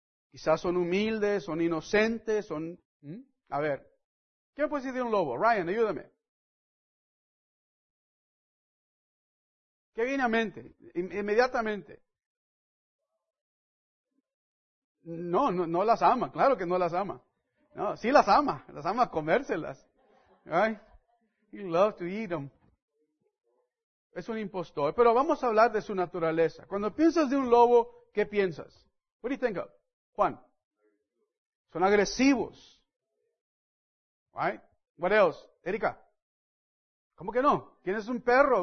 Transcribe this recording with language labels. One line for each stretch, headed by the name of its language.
Spanish: Quizás son humildes, son inocentes, son... A ver, ¿qué me puedes decir de un lobo? Ryan, ayúdame. ¿Qué viene a mente? Inmediatamente. No las ama, claro que no las ama. No, sí las ama comérselas.
English: Right? He loves to eat them.
Spanish: Es un impostor, pero vamos a hablar de su naturaleza. Cuando piensas de un lobo, ¿qué piensas?
English: What do you think of?
Spanish: Juan. Son agresivos.
English: Right? What else?
Spanish: Erika. ¿Cómo que no? ¿Quién es un perro?